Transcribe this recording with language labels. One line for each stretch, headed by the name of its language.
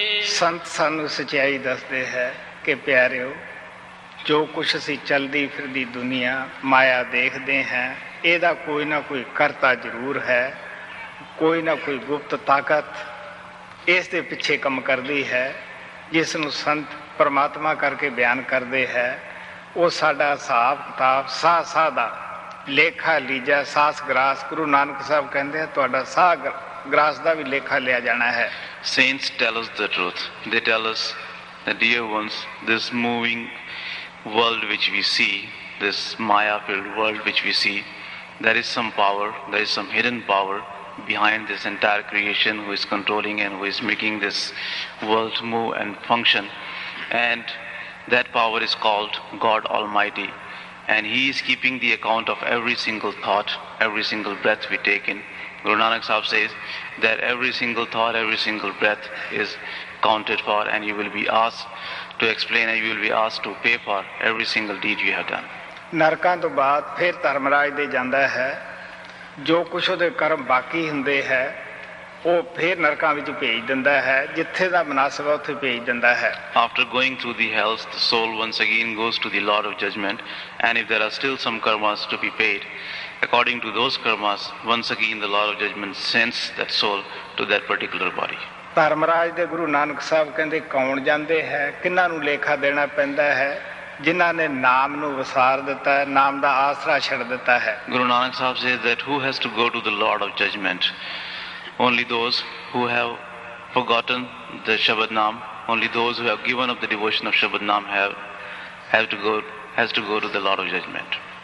Punjabi: ਸੰਤ ਸਾਨੂੰ ਸੱਚਾਈ ਦੱਸਦੇ ਹੈ ਕਿ ਪਿਆਰਿਓ, ਜੋ ਕੁਛ ਅਸੀਂ ਚੱਲਦੀ ਫਿਰਦੀ ਦੁਨੀਆ ਮਾਇਆ ਦੇਖਦੇ ਹਾਂ, ਇਹਦਾ ਕੋਈ ਨਾ ਕੋਈ ਕਰਤਾ ਜ਼ਰੂਰ ਹੈ, ਕੋਈ ਨਾ ਕੋਈ ਗੁਪਤ ਤਾਕਤ ਇਸ ਦੇ ਪਿੱਛੇ ਕੰਮ ਕਰਦੀ ਹੈ, ਜਿਸ ਨੂੰ ਸੰਤ ਪਰਮਾਤਮਾ ਕਰਕੇ ਬਿਆਨ ਕਰਦੇ ਹੈ। ਉਹ ਸਾਡਾ ਹਿਸਾਬ ਕਿਤਾਬ ਸਾਹ ਸਾਹ ਦਾ ਲੇਖਾ ਲੀਜਾ ਸਾਸ ਗਰਾਸ, ਗੁਰੂ ਨਾਨਕ ਸਾਹਿਬ ਕਹਿੰਦੇ ਆ ਤੁਹਾਡਾ ਸਾਹ ਗ੍ਰਾਸ ਦਾ ਵੀ ਲੇਖਾ ਲਿਆ ਜਾਣਾ ਹੈ।
English: Saints tell us the truth. They tell us that, dear ones, this moving world which we see, this Maya-filled world which we see, there is some power, there is some hidden power behind this entire creation who is controlling and who is making this world move and function. And that power is called God Almighty. And He is keeping the account of every single thought, every single breath we take in. Guru Nanak Sahib says that every single thought, every single breath is counted for, and you will be asked to explain and you will be asked to pay for every single deed you have done.
Punjabi: ਨਰਕਾਂ ਤੋਂ ਬਾਅਦ ਫਿਰ ਧਰਮਰਾਜ ਦੇ ਜਾਂਦਾ ਹੈ, ਜੋ ਕੁਛ ਉਹਦੇ ਕਰਮ ਬਾਕੀ ਹੁੰਦੇ ਹੈ ਉਹ ਫਿਰ ਨਰਕਾਂ ਵਿੱਚ ਭੇਜ ਦਿੰਦਾ ਹੈ, ਜਿੱਥੇ ਦਾ ਮੁਨਾਸਬ ਹੈ ਉੱਥੇ ਭੇਜ ਦਿੰਦਾ ਹੈ।
English: After going through the hells, the soul once again goes to the Lord of Judgment, and if there are still some karmas to be paid, according to those karmas, once again the Lord of Judgment sends that soul to that particular body.
Punjabi: Dharmraj ਦੇ ਗੁਰੂ ਨਾਨਕ ਸਾਹਿਬ ਕਹਿੰਦੇ ਕੌਣ ਜਾਂਦੇ ਹੈ, ਕਿਹਨਾਂ ਨੂੰ ਲੇਖਾ ਦੇਣਾ ਪੈਂਦਾ ਹੈ, ਜਿਨ੍ਹਾਂ ਨੇ ਨਾਮ ਨੂੰ ਵਿਸਾਰ ਦਿੱਤਾ ਹੈ, ਨਾਮ ਦਾ ਆਸਰਾ ਛੱਡ ਦਿੱਤਾ ਹੈ.
English: Guru Nanak Sahib says that who has to go to the lord of judgement, only those who have forgotten the shabad naam, only those who have given up the devotion of shabad naam has to go to the lord of judgement.